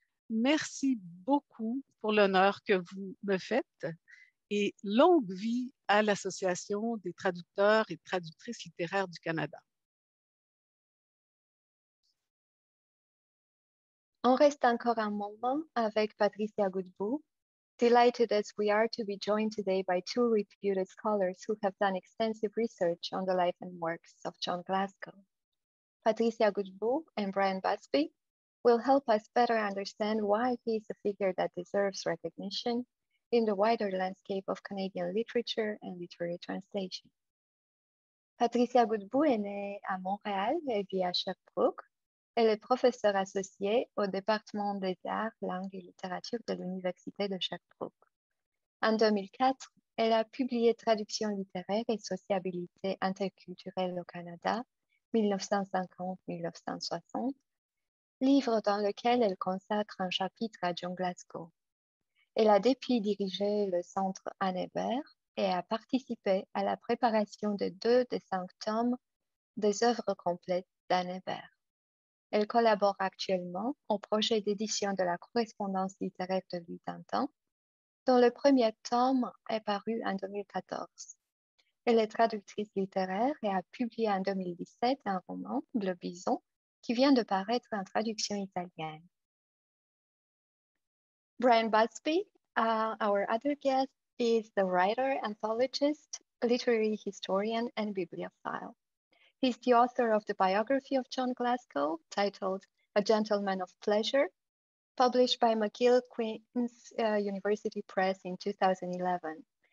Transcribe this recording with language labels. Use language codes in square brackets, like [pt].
[fr] Merci beaucoup pour l'honneur que vous me faites. Et longue vie à l'Association des traducteurs et traductrices littéraires du Canada. On reste encore un moment avec Patricia Godbout. [en] Delighted as we are to be joined today by two reputed scholars who have done extensive research on the life and works of John Glassco. Patricia Godbout and Brian Busby will help us better understand why he is a figure that deserves recognition in the wider landscape of Canadian literature and literary translation. [fr] Patricia Godbout est née à Montréal et vit à Sherbrooke. Elle est professeure associée au département des arts, langues et littérature de l'Université de Sherbrooke. En 2004, elle a publié Traduction littéraire et sociabilité interculturelle au Canada, 1950-1960, livre dans lequel elle consacre un chapitre à John Glassco. Elle a depuis dirigé le centre Anne Hébert et a participé à la préparation de deux des cinq tomes des œuvres complètes d'Anne Hébert. Elle collabore actuellement au projet d'édition de la correspondance littéraire de Louis Tintin, dont le premier tome est paru en 2014. Elle est traductrice littéraire et a publié en 2017 un roman, Le Bison, qui vient de paraître en traduction italienne. [en] Brian Busby, our other guest, is the writer, anthologist, literary historian, and bibliophile. He's the author of the biography of John Glassco, titled A Gentleman of Pleasure, published by McGill Queen's University Press in 2011.